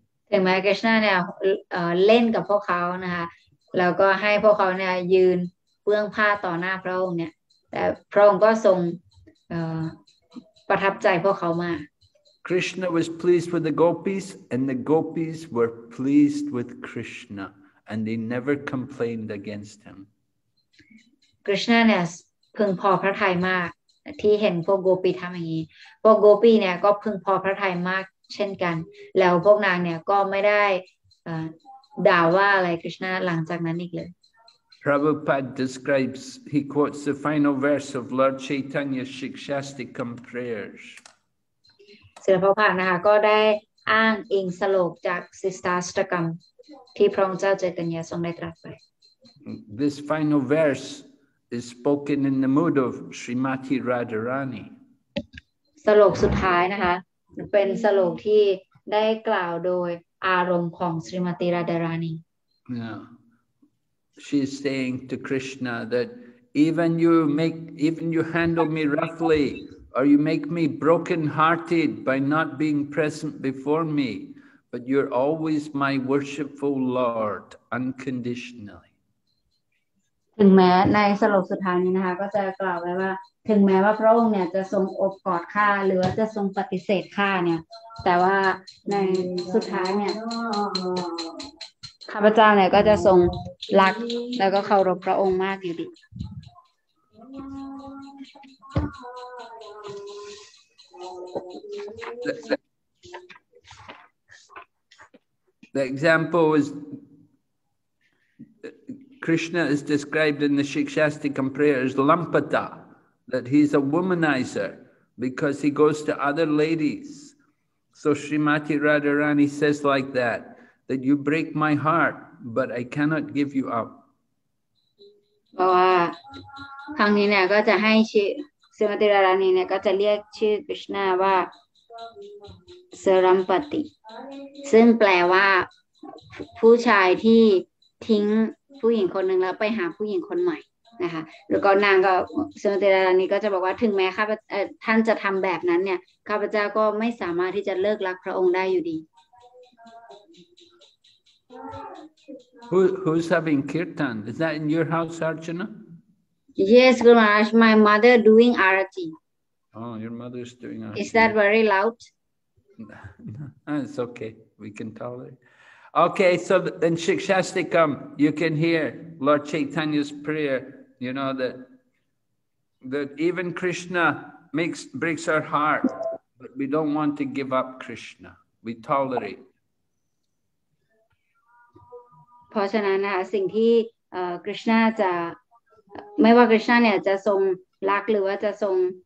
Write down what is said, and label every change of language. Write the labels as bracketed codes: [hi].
[th] ถึงแม้ Krishna เนี่ยเล่นกับพวกเขานะคะแล้วก็ให้พวกเขาเนี่ยยืนเปลื้องผ้าต่อหน้าพระองค์เนี่ยแต่พระองค์ก็ทรงประทับใจพวกเขามาก [en] Krishna was pleased with the gopis, and the gopis were pleased with Krishna, and they never complained against him. [th] Krishna เนี่ยพึงพอพระทัยมากที่เห็นพวกโกปีทำอย่างนี้พวกโกปีเนี่ยก็พึงพอพระทัยมากเช่นกันแล้วพวกนางเนี่ยก็ไม่ได้ด่าว่าอะไร Krishna หลังจากนั้นอีกเลย [en] Prabhupada describes, he quotes the final verse of Lord Chaitanya's Shikshastikam prayers. [th] ศิลปภาพนะคะก็ได้อ้างอิงสโลกจากสิสตาสตกรรมที่พระองค์เจ้าเจตัญญาทรงได้ตรัสไป [en] This final verse is spoken in the mood of Srimati Radharani [th] สโลกสุดท้ายนะคะเป็นสโลกที่ได้กล่าวโดยอารมณ์ของศรีมาตีราดารานี [en] She is saying to Krishna that even you handle me roughly Or you make me broken-hearted by not being present before me, but you're always my worshipful Lord, unconditionally. [th] ถึงแม้ในสโลกสุดท้ายนี้นะคะก็จะกล่าวไว้ว่าถึงแม้ว่าพระองค์เนี่ยจะทรงโอบกอดข้าหรือว่าจะทรงปฏิเสธข้าเนี่ยแต่ว่าในสุดท้ายเนี่ยข้าพเจ้าเนี่ยก็จะทรงรักแล้วก็เคารพพระองค์มากอยู่ดี [en] The example is Krishna is described in the Shikshastikam prayer as Lampata, that he's a womanizer because he goes to other ladies. So Srimati Radharani says like that you break my heart, but I cannot give you up. Wow. [th] ครั้งนี้เนี่ยก็จะให้ชื่อสิมาติราราณีเนี่ยก็จะเรียกชื่อคริชนาว่าสรัมปติซึ่งแปลว่าผู้ชายที่ทิ้งผู้หญิงคนหนึ่งแล้วไปหาผู้หญิงคนใหม่นะคะแล้วก็นางก็สิมาติราราณีก็จะบอกว่าถึงแม้ข้าท่านจะทำแบบนั้นเนี่ยข้าพเจ้าก็ไม่สามารถที่จะเลิกรักพระองค์ได้อยู่ดี [en] Who's having kirtan? Is that in your house, Archana? Yes, Guru Maharaj, my mother doing arati. Oh, your mother is doing arati. Is that very loud? It's okay. We can tolerate. Okay, so in Shikshastikam, you can hear Lord Chaitanya's prayer, you know, that even Krishna breaks our heart, but we don't want to give up Krishna. We tolerate. [th] เพราะฉะนั้นนะคะสิ่งที่Krishna จะไม่ว่าคริชนาเนี่ยจะทรงรักหรือว่าจะทรง